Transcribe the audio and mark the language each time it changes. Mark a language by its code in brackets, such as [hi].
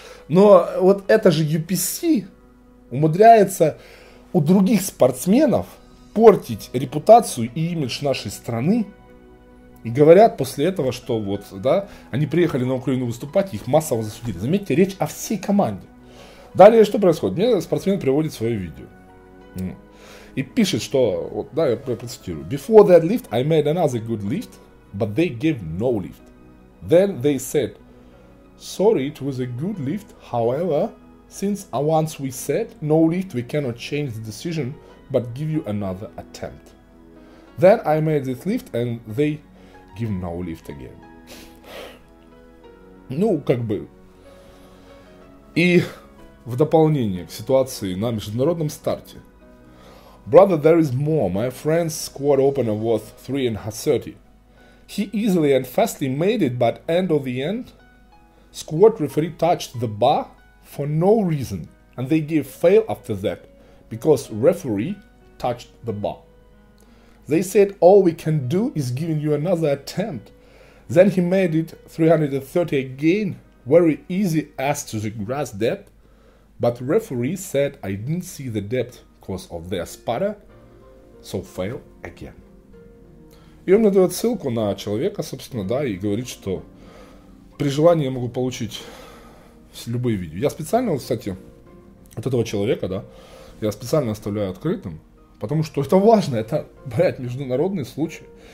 [ru] Но вот это же UPC умудряется у других спортсменов портить репутацию и имидж нашей страны. И говорят после этого, что вот, да, они приехали на Украину выступать, их массово засудили. Заметьте, речь о всей команде. Далее что происходит? Мне спортсмен приводит свое видео. И пишет, что... Вот, да, я процитирую. [en] Before that lift, I made another good lift, but they gave no lift. Then they said, sorry, it was a good lift. However, since once we said no lift, we cannot change the decision, but give you another attempt. Then I made this lift, and they give no lift again. [ru] Ну, как бы... И... В дополнение к ситуации на международном старте. [en] Brother, there is more. My friend's squad opener was 330. He easily and fastly made it, but end of the end, squad referee touched the bar for no reason, and they gave fail after that, because referee touched the bar. They said, all we can do is giving you another attempt. Then he made it 330 again, very easy as to the grass depth, but referee said I didn't see the depth because of their sputter, so fail again. [ru] И он мне дает ссылку на человека, собственно, да, и говорит, что при желании я могу получить любые видео. Я специально, кстати, вот этого человека, да, я специально оставляю открытым, потому что это важно, это, блядь, международный случай.